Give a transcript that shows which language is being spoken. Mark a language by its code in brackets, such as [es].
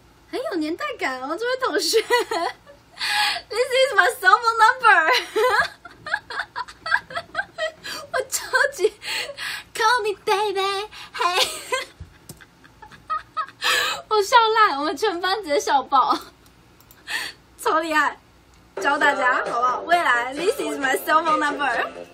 [zh] 很有年代感哦，这位同学。 [en] This is my cell phone number. [zh] 我超级 [en] call me baby, hey. [zh] 我笑烂，我们全班直接笑爆，超厉害！教大家好不好？未来 [en] This is my cell phone number.